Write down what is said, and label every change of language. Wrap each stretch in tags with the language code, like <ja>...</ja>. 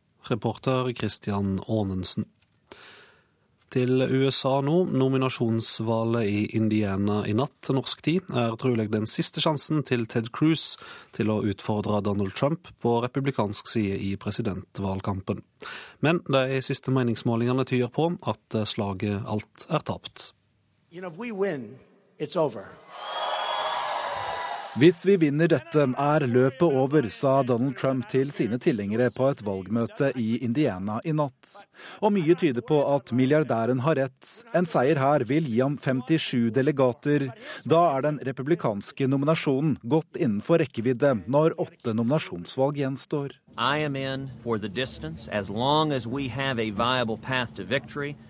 <no>Reporter Christian Ånensen. Til USA nå. Nominasjonsvalget i Indiana i natt til norsk tid er trolig den siste sjansen til Ted Cruz til å utfordre Donald Trump på republikansk side i presidentvalgkampen. Men de siste meningsmålingene tyder på at slaget alt er tapt.</no> <en>You know, if we win, it's over.</en> <no>Hvis vi vinner dette, er løpet over, sa Donald Trump til sine tilhengere på et valgmøte i Indiana i natt. Og mye tyder på at milliardæren har rett. En seier her vil gi ham 57 delegater. Da er den republikanske nominasjonen godt innenfor rekkevidde når 8 nominasjonsvalg gjenstår.</no> <en>I am in for the distance, as long as we have a viable path to victory.</en>